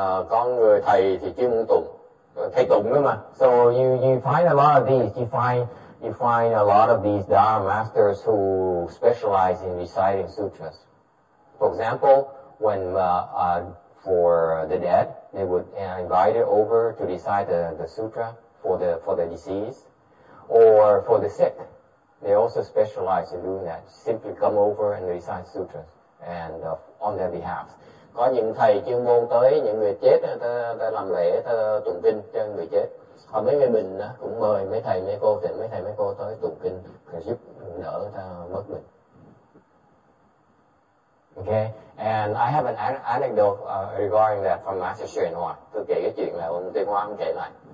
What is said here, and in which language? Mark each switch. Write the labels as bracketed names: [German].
[Vietnamese] Con người thầy thì chuyên môn tụng, thầy tụng nữa mà. [English] So you find a lot of these, you find a lot of these Dharma masters who specialize in reciting sutras. For example, when for the dead, they would invite it over to recite the sutra for the deceased. or for the sick, they also specialize in doing that. Simply come over and recite sutras and on their behalf. [Vietnamese] Có những thầy chuyên môn tới những người chết, ta làm lễ, ta tụng kinh cho người chết. Còn mấy người mình cũng mời mấy thầy, mấy cô, thì mấy thầy, mấy cô tới tụng kinh để giúp đỡ ta mất mình. [English] Okay, and I have an anecdote regarding that from Master Xuyên Hoa. [Vietnamese] Tôi kể cái chuyện là ông Tuyên Hoa ông kể lại.